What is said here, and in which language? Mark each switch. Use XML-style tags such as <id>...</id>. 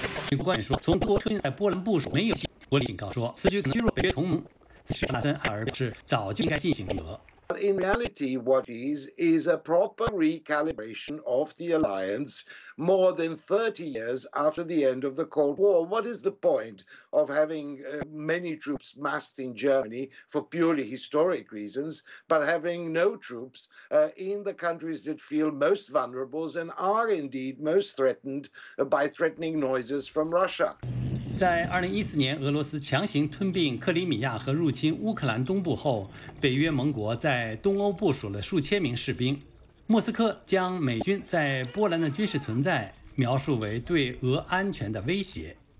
<zh>美国官员说，从德国撤军在波兰部署没有戏，国里警告说此举可能削弱北约同盟。施特纳森埃尔表示，早就应该进行配合。</zh> <en>But in reality, what is a proper recalibration of the alliance more than 30 years after the end of the Cold War? What is the point of having many troops massed in Germany for purely historic reasons, but having no troops in the countries that feel most vulnerable and are indeed most threatened by threatening noises from Russia?</en> <zh>在2014年，俄罗斯强行吞并克里米亚和入侵乌克兰东部后，北约盟国在东欧部署了数千名士兵。莫斯科将美军在波兰的军事存在描述为对俄安全的威胁。</zh>